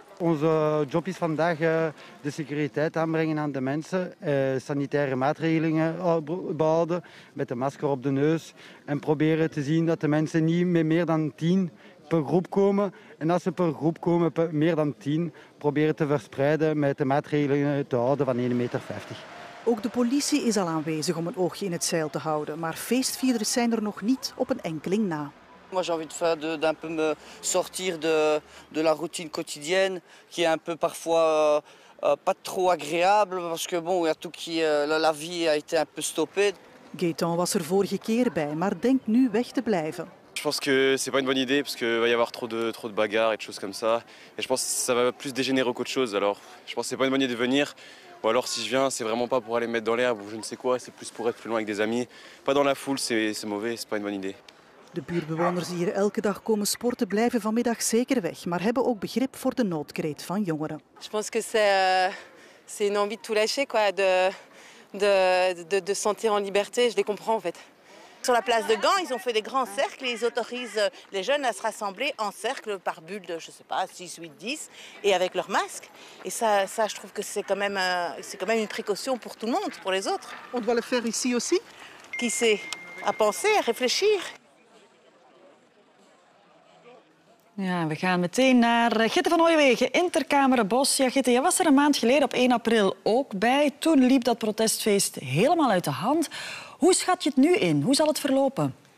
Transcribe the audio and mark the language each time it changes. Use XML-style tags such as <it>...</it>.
<nl>Onze job is vandaag de securiteit aanbrengen aan de mensen, sanitaire maatregelen behouden met de masker op de neus en proberen te zien dat de mensen niet met meer dan 10 per groep komen. En als ze per groep komen, meer dan 10, proberen te verspreiden met de maatregelen te houden van 1,50 meter. Ook de politie is al aanwezig om een oogje in het zeil te houden, maar feestvierders zijn er nog niet op een enkeling na.</nl> <fr>Moi j'ai envie de faire d'un peu me sortir de la routine quotidienne qui est un peu parfois pas trop agréable parce que bon, il y a tout qui la vie a été un peu stoppée.</fr> <nl>Gaëtan was er vorige keer bij, maar denkt nu weg te blijven.</nl> <fr>Je pense que c'est pas une bonne idée parce que va y avoir trop de bagarres et de choses comme ça et je pense que ça va plus dégénérer qu'autre chose. Alors, je pense que c'est pas une bonne idée de venir. Ou alors si je viens, c'est vraiment pas pour aller me mettre dans l'herbe ou je ne sais quoi, c'est plus pour être plus loin avec des amis, pas dans la foule, c'est mauvais, c'est pas une bonne idée.</fr> <nl>De buurtbewoners die hier elke dag komen sporten, blijven vanmiddag zeker weg, maar hebben ook begrip voor de noodkreet van jongeren.</nl> <fr>Je pense que c'est une envie de tout lâcher quoi, de sentir en liberté, je les comprends en fait. Sur la place de Gand, ils ont fait des grands cercles et ils autorisent les jeunes à se rassembler en cercle par bulle de je sais pas 6 8 10 et avec leurs masques et ça je trouve que c'est quand même une précaution pour tout le monde, pour les autres. On doit le faire ici aussi. Qui sait, à penser, à réfléchir.</fr> <nl>Ja, we gaan meteen naar Gitte van Hooijwegen in Ter Kamerbos. Ja, Gitte, jij was er een maand geleden op 1 april ook bij. Toen liep dat protestfeest helemaal uit de hand. Hoe schat je het nu in? Hoe zal het verlopen?</nl>